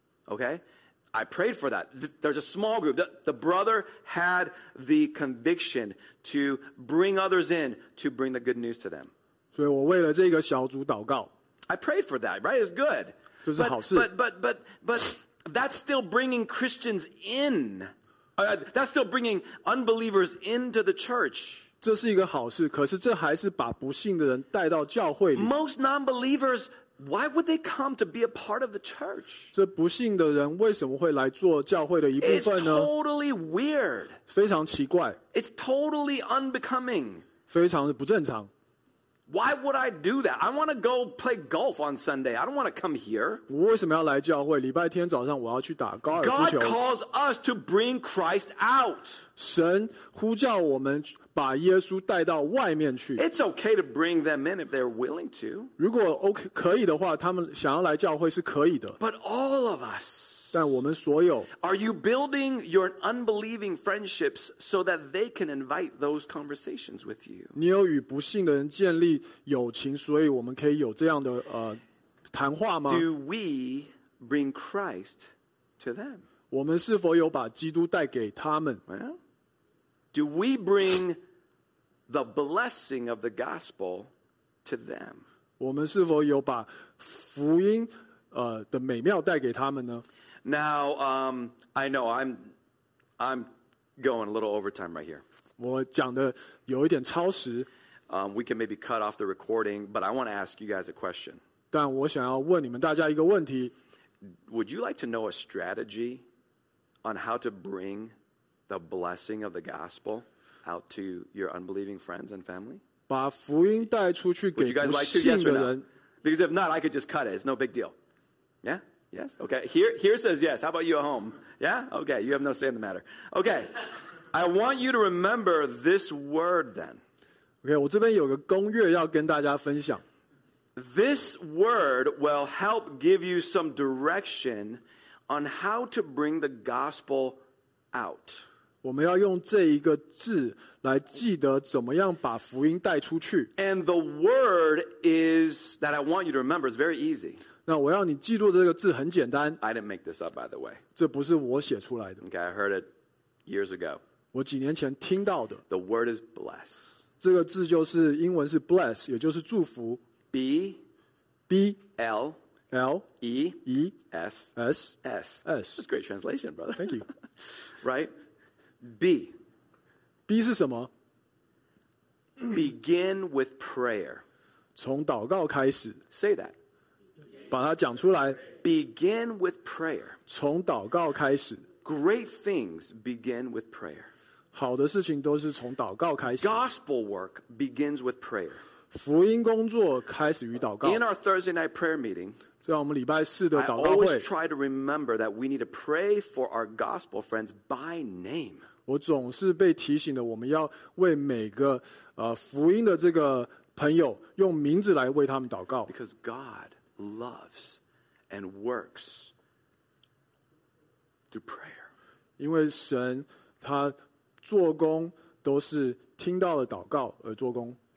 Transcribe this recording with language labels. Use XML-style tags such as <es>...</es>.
<en>Okay? I prayed for that. There's a small group. The brother had the conviction to bring others in to bring the good news to them.</en> <zh>所以我为了这个小组祷告。</zh> <en>I prayed for that, right? It's good.</en> <zh>这是好事。</zh> <en>But that's still bringing Christians in. That's still bringing unbelievers into the church.</en> <zh>这是一个好事，可是这还是把不信的人带到教会里。</zh> <en>Most non-believers... Why would they come to be a part of the church?</en> <zh>这不信的人为什么会来做教会的一部分呢?</zh> <en>It's totally weird.</en> <zh>非常奇怪。</zh> <en>It's totally unbecoming.</en> <zh>非常的不正常。</zh> <en>Why would I do that? I want to go play golf on Sunday. I don't want to come here.</en> <zh>我为什么要来教会？礼拜天早上我要去打高尔夫球。</zh> <en>God calls us to bring Christ out.</en> <zh>神呼叫我们把耶稣带到外面去。</zh> <en>It's okay to bring them in if they're willing to.</en> <zh>如果 OK 可以的话，他们想要来教会是可以的。</zh> <en>But all of us.</en> <zh>但我们所有。</zh> <en>Are you building your unbelieving friendships so that they can invite those conversations with you?</en> <zh>你有与不信的人建立友情，所以我们可以有这样的谈话吗</zh> <en>？Do we bring Christ to them?</en> <zh>我们是否有把基督带给他们</zh> <en>？Well. Do we bring the blessing of the gospel to them?</en> <zh>我们是否有把福音的美妙带给他们呢</zh> <en>？Now, I know I'm going a little overtime right here.</en> <zh>我讲的有一点超时。</zh> <en>We can maybe cut off the recording, but I want to ask you guys a question.</en> <zh>但我想要问你们大家一个问题。</zh> <en>Would you like to know a strategy on how to bring? The blessing of the gospel out to your unbelieving friends and family?</en> <zh>把福音带出去给不信的人。</zh> <en>Would you guys like to, yes or no? Because if not, I could just cut it. It's no big deal. Yeah? Yes? Okay. Here says yes. How about you at home? Yeah? Okay. You have no say in the matter. Okay. I want you to remember this word then.</en> <zh>Okay. 我这边有个公约要跟大家分享。</zh> <en>This word will help give you some direction on how to bring the gospel out.</en> <zh>我们要用这一个字来记得怎么样把福音带出去。</zh> <en>And the word is that I want you to remember is very easy.</en> <zh>那我要你记住这个字很简单。</zh> <en>I didn't make this up, by the way.</en> <zh>这不是我写出来的。</zh> <en>Okay, I heard it years ago.</en> <zh>我几年前听到的。</zh> <en>The word is bless.</en> <zh>这个字就是英文是 bless, 也就是祝福。</zh> <en>B B L L E E S S S S. That's a great translation, brother. Thank you. Right? B.</en> <zh>B 是什么?</zh> <en>Begin with prayer.</en> <zh>从祷告开始。</zh> <en>Say that.</en> <zh>把它讲出来。</zh> <en>Begin with prayer.</en> <zh>从祷告开始。</zh> <en>Great things begin with prayer.</en> <zh>好的事情都是从祷告开始。</zh> <en>Gospel work begins with prayer.</en> <zh>福音工作开始于祷告。</zh> <en>In our Thursday night prayer meeting,</en> <zh>在我们礼拜四的祷告会</zh> <en>I always try to remember that we need to pray for our gospel friends by name.</en> <zh>我总是被提醒的，我们要为每个福音的这个朋友用名字来为他们祷告。</zh> <en>Because God loves and works through prayer.</en> <zh>因为神他做工都是听到了祷告而做工。</zh>